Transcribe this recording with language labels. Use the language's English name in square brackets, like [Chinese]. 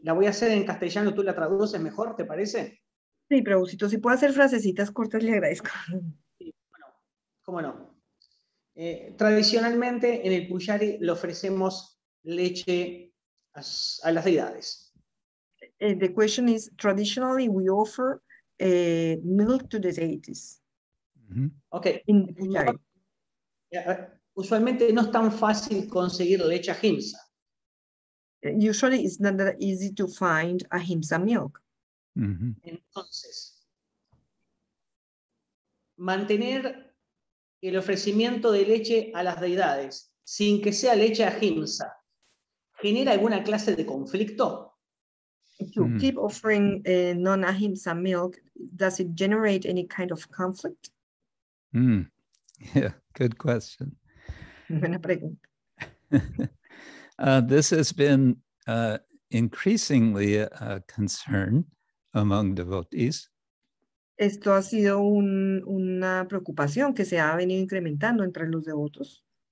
[Spanish] La voy a hacer en castellano, tú la traduces mejor, ¿te parece? Sí, pero si tú puedes hacer frasecitas cortas, le agradezco. Sí, bueno, cómo no. Tradicionalmente en el Puyari le ofrecemos leche a las deidades. [English] The question is, traditionally we offer milk to the deities. Mm-hmm. Okay. In the Puyari. [Spanish] Usualmente no es tan fácil conseguir leche ahimsa. [English] Usually it's not that easy to find ahimsa milk. Mm-hmm. [Spanish] Entonces, mantener el ofrecimiento de leche a las deidades, sin que sea leche ahimsa, ¿genera alguna clase de conflicto? [English] To keep offering non-ahimsa milk, does it generate any kind of conflict? Mm. Yeah, good question. [Spanish] Buena pregunta. [English] This has been increasingly a concern among devotees. [Spanish] Esto ha sido una preocupación que se ha venido incrementando entre los devotos.